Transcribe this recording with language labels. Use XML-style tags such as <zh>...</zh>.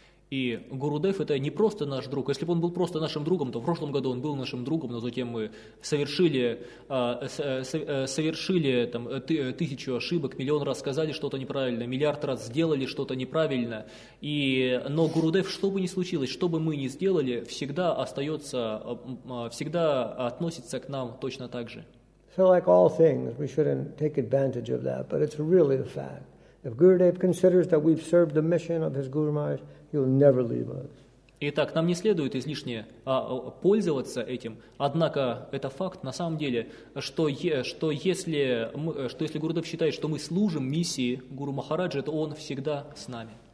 <ru>И Гурудев это не просто наш друг. Если бы он был просто нашим другом, то в прошлом году он был нашим другом, но затем мы совершили там тысячу ошибок, миллион раз сказали что-то неправильно, миллиард раз сделали что-то неправильно. Но Гурудев, что бы ни случилось, что бы мы ни сделали, всегда относится к нам точно так же.</ru> <en>So like all things, we shouldn't take advantage of that, but it's really a fact. If Gurudev considers that we've served the mission of his Guru Maharaj, he'll never leave us.</en> <ru>Итак, нам не следует излишне пользоваться этим. Однако это факт на самом деле, что если Гурудев считает, что мы служим миссии Гуру Махараджа, то он всегда с нами.</ru>